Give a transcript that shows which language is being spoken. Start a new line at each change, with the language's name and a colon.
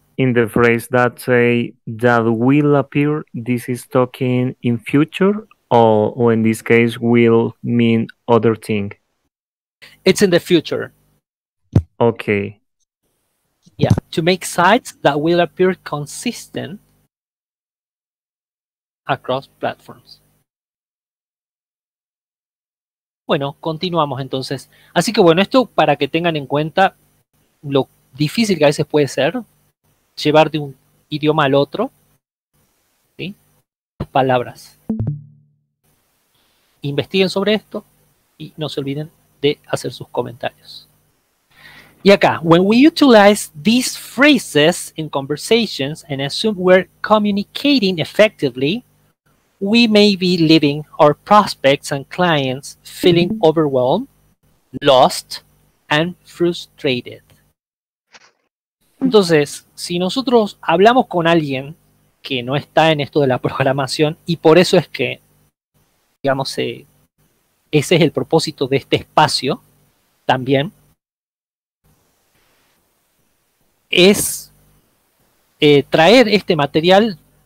English: In the phrase that say that will appear, this is talking in future, or in this case will mean other thing? It's in the future. Okay. Yeah, to make sites that will appear consistent across platforms.
Spanish: Bueno, continuamos entonces. Así que bueno, esto para que tengan en cuenta lo difícil que a veces puede ser llevar de un idioma al otro, ¿sí? Las palabras. Investiguen sobre esto y no se olviden de hacer sus comentarios. Y acá,
English: when we utilize these phrases in conversations and assume we're communicating effectively, we may be leaving our prospects and clients feeling overwhelmed, lost, and frustrated.
Spanish: Entonces, si nosotros hablamos con alguien que no está en esto de la programación, y por eso es que, digamos, ese es el propósito de este espacio también, es traer este material